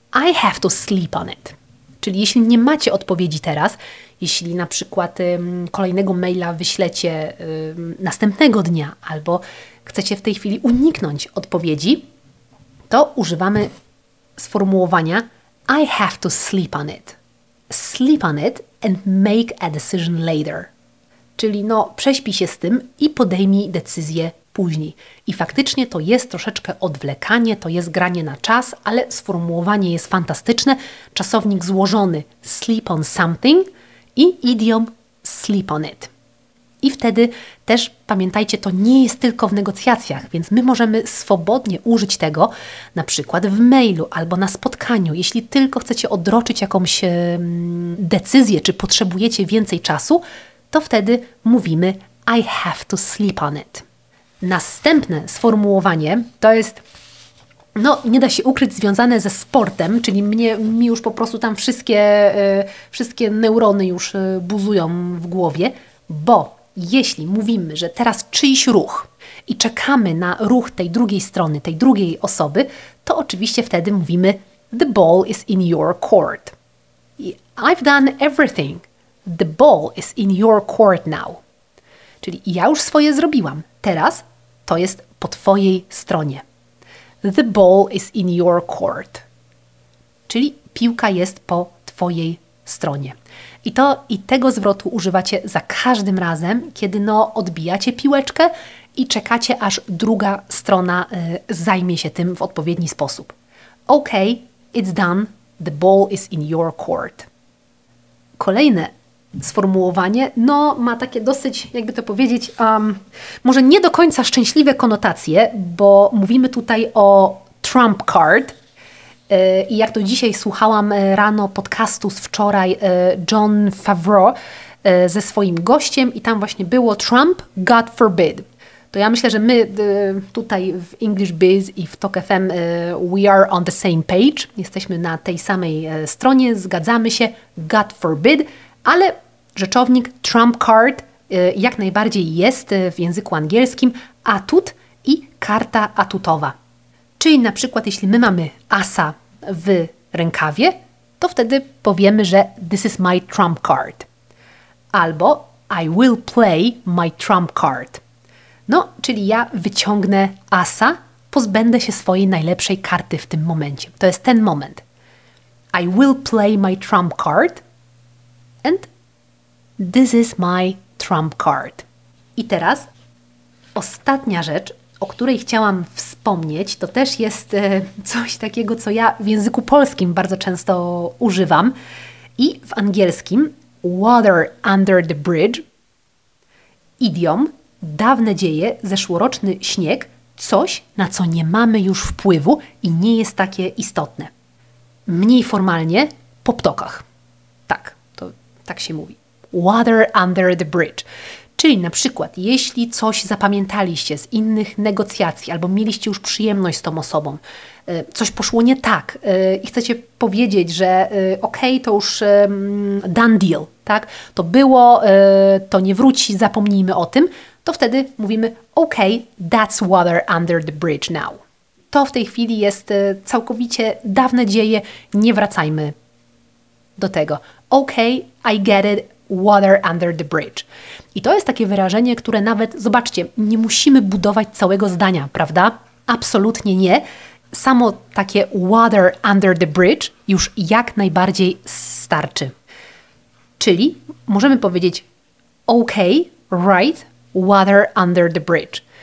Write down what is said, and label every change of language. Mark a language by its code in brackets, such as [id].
[en] I have to sleep on it. [pl] Czyli jeśli nie macie odpowiedzi teraz, jeśli na przykład kolejnego maila wyślecie następnego dnia albo chcecie w tej chwili uniknąć odpowiedzi, to używamy sformułowania I have to sleep on it. [en] Sleep on it and make a decision later. [pl] Czyli no, prześpi się z tym i podejmij decyzję później. I faktycznie to jest troszeczkę odwlekanie, to jest granie na czas, ale sformułowanie jest fantastyczne. Czasownik złożony [en] sleep on something [pl] i idiom [en] sleep on it. [pl] I wtedy też pamiętajcie, to nie jest tylko w negocjacjach, więc my możemy swobodnie użyć tego na przykład w mailu albo na spotkaniu. Jeśli tylko chcecie odroczyć jakąś decyzję, czy potrzebujecie więcej czasu, to wtedy mówimy [en] I have to sleep on it. [pl] Następne sformułowanie to jest No, nie da się ukryć, związane ze sportem, czyli mi już po prostu tam wszystkie neurony już buzują w głowie, bo jeśli mówimy, że teraz czyjś ruch i czekamy na ruch tej drugiej strony, tej drugiej osoby, to oczywiście wtedy mówimy [en] "The ball is in your court." "I've done everything. The ball is in your court now." [pl] Czyli ja już swoje zrobiłam. Teraz to jest po twojej stronie. [en] "The ball is in your court." [pl] Czyli piłka jest po twojej stronie. I tego zwrotu używacie za każdym razem, kiedy odbijacie piłeczkę i czekacie, aż druga strona zajmie się tym w odpowiedni sposób. [en] "OK, it's done. The ball is in your court." [pl] Kolejne sformułowanie ma takie dosyć, jakby to powiedzieć, może nie do końca szczęśliwe konotacje, bo mówimy tutaj o trump card. I jak to dzisiaj słuchałam rano podcastu z wczoraj, John Favreau ze swoim gościem, i tam właśnie było [en] "Trump, God forbid." [pl] To ja myślę, że my tutaj w English Biz i w Talk FM [en] we are on the same page. [pl] Jesteśmy na tej samej stronie, zgadzamy się, [en] God forbid, [pl] ale rzeczownik trump card jak najbardziej jest w języku angielskim atut i karta atutowa. Czyli na przykład jeśli my mamy asa w rękawie, to wtedy powiemy, że [en] "This is my trump card." [pl] Albo [en] "I will play my trump card." [pl] Czyli ja wyciągnę asa, pozbędę się swojej najlepszej karty w tym momencie. To jest ten moment. [en] "I will play my trump card." And "This is my trump card." [pl] I teraz ostatnia rzecz, o której chciałam wspomnieć, to też jest coś takiego, co ja w języku polskim bardzo często używam. I w angielskim [en] "water under the bridge", [pl] idiom "dawne dzieje, zeszłoroczny śnieg, coś, na co nie mamy już wpływu i nie jest takie istotne". Mniej formalnie "po ptokach". Tak, to tak się mówi. [en] "Water under the bridge". [pl] Czyli na przykład, jeśli coś zapamiętaliście z innych negocjacji albo mieliście już przyjemność z tą osobą, coś poszło nie tak i chcecie powiedzieć, że okej, to już [en] done deal, [pl] tak? To było, to nie wróci, zapomnijmy o tym, to wtedy mówimy [en] "okay, that's water under the bridge now". [pl] To w tej chwili jest całkowicie dawne dzieje, nie wracajmy do tego. [en] "Okay, I get it, water under the bridge." [pl] I to jest takie wyrażenie, które nawet, zobaczcie, nie musimy budować całego zdania, prawda? Absolutnie nie. Samo takie [en] "water under the bridge" [pl] już jak najbardziej starczy. Czyli możemy powiedzieć [en] "okay, right, water under the bridge".